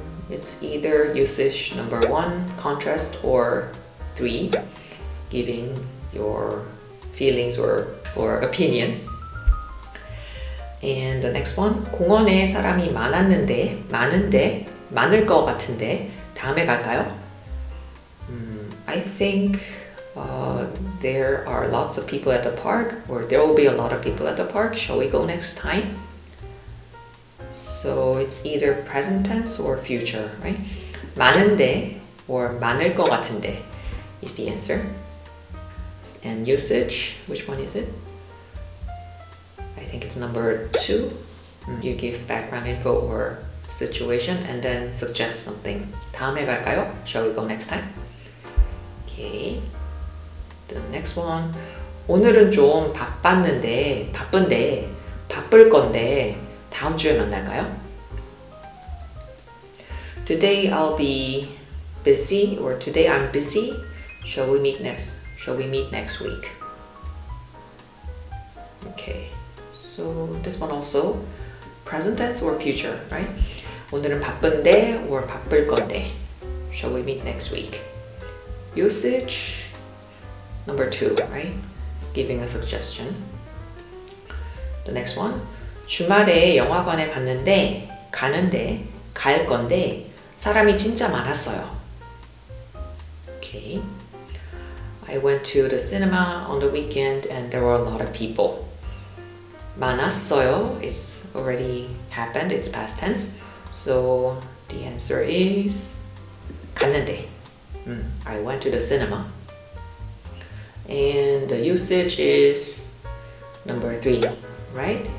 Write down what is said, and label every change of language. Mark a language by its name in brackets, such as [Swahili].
[English] It's either usage number one, contrast, or three, giving your feelings or opinion. And the next one. [Korean] 공원에 사람이 많을 것 같은데 다음에 갈까요? [English] I think there are lots of people at the park, or there will be a lot of people at the park. Shall we go next time? So it's either present tense or future, right? [Korean] 많은데 or 많을 것 같은데 [English] is the answer. And usage, which one is it? I think it's number two. You give background info or situation and then suggest something. [Korean] 다음에 갈까요? [English] Shall we go next time? Okay. The next one. [Korean] 오늘은 좀 바쁜데 바쁠 건데 다음 주에 만날까요? [English] Today I'll be busy, or today I'm busy. Shall we meet next week? Okay. So this one also present tense or future, right? [Korean] 오늘은 바쁜데 or 바쁠 건데. [English] Shall we meet next week? Usage number two, right? Giving a suggestion. The next one. [Korean] 주말에 영화관에 가는데 갈 건데 사람이 진짜 많았어요. [English] Okay. I went to the cinema on the weekend and there were a lot of people. [Korean] 많았어요. [English] It's already happened. It's past tense. So the answer is [Korean] 갔는데. [English] I went to the cinema. And the usage is number three. Right?